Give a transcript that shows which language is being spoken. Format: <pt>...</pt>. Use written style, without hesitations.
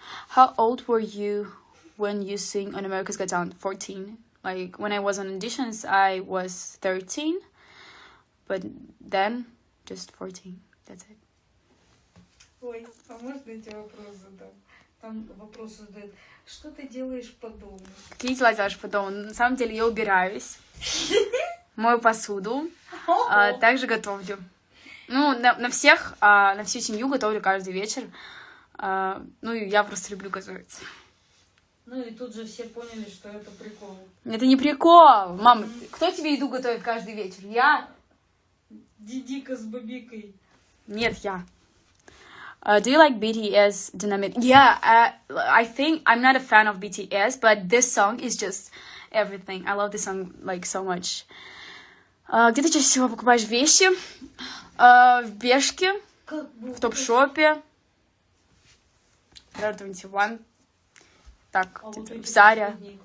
<en>How old were you when you sing on America's Got Talent? 14. Like, when I was on auditions, I was 13. But then, just 14. That's it.</en> <ru>Ой, а можно я тебе вопрос задам? Там вопрос задают. Что ты делаешь по дому? Какие дела делаешь по дому? На самом деле, я убираюсь. Мою посуду, также готовлю. Ну, на всех, на всю семью готовлю каждый вечер. Ну, и я просто люблю готовить. Ну, и тут же все поняли, что это прикол. Это не прикол! Мама, кто тебе еду готовит каждый вечер? Я? Дидика с бабикой. Нет, я.</ru> <en>Do you like BTS Dynamite? Yeah, I think I'm not a fan of BTS, but this song is just everything. I love this song, like, so much.</en> <ru>Где ты чаще всего покупаешь вещи? В Бешке, в топ-шопе, в Rare 21, так, в Заре.</ru>